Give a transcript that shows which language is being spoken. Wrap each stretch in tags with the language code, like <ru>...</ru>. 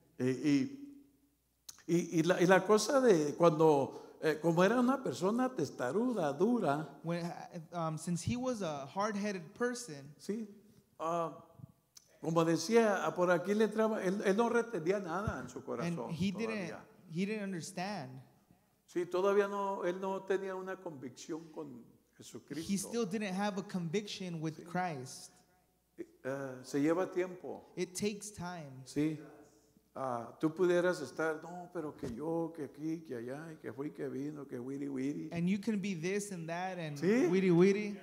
<es>Y la cosa de cuando como era una persona testaruda, dura.</es> <en>When, since he was a hard-headed person.</en> <es>Sí. Como decía, por aquí le entraba, él no retenía nada en su corazón.</es> <en>And he didn't understand.</en> <es>Sí, todavía no, él no tenía una convicción con Jesucristo.</es> <en>He still didn't have a conviction with Christ.</en> <es>Se lleva tiempo.</es> <en>It takes time.</en> <es>Sí. Tú pudieras estar, no, pero que yo, que aquí, que allá, que fui, que vino, que wiri wiri.</es> <en>And you can be this and that and wiri wiri.</en>